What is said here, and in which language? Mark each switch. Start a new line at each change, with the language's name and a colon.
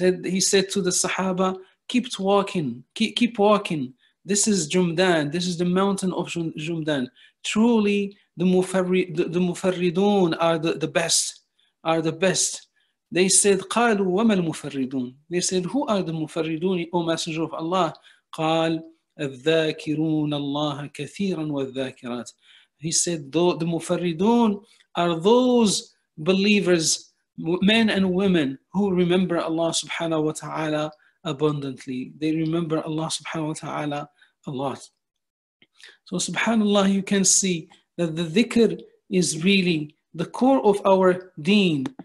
English: He said to the Sahaba, keep walking. This is Jumdan. This is the mountain of Jumdan. Truly, the Mufarridun are the best. They said,
Arabic: قالوا وما المفردون.
English: They said, who are the مفردون, O Messenger of Allah?
Arabic: قال الذاكرون الله كثيرا والذاكرات.
English: He said, the مفردون are those believers, men and women, who remember Allah subhanahu wa ta'ala abundantly. They remember Allah subhanahu wa ta'ala a lot. So subhanallah, you can see that the dhikr is really the core of our deen.